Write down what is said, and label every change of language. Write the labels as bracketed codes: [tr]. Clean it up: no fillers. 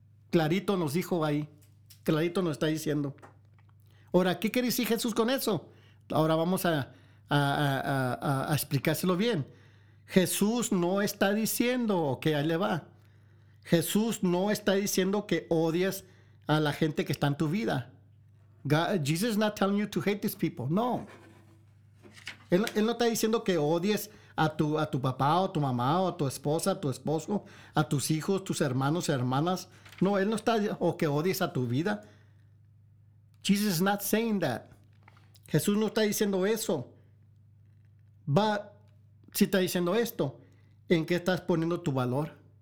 [es] Clarito nos dijo ahí, clarito nos está diciendo. Ahora, ¿qué quiere decir Jesús con eso? Ahora vamos a explicárselo bien. Jesús no está diciendo, ok, ahí le va. Jesús no está diciendo que odies a la gente que está en tu vida. [en] Jesus is not telling you to hate these people. [es] No. Él no está diciendo que odies a tu papá o tu mamá o a tu esposa, a tu esposo, a tus hijos, tus hermanos, hermanas. No, Él no está o que odies a tu vida. [en] Jesus is not saying that. [es] Jesús no está diciendo eso. [en] But [es] si está diciendo esto, ¿en qué estás poniendo tu valor?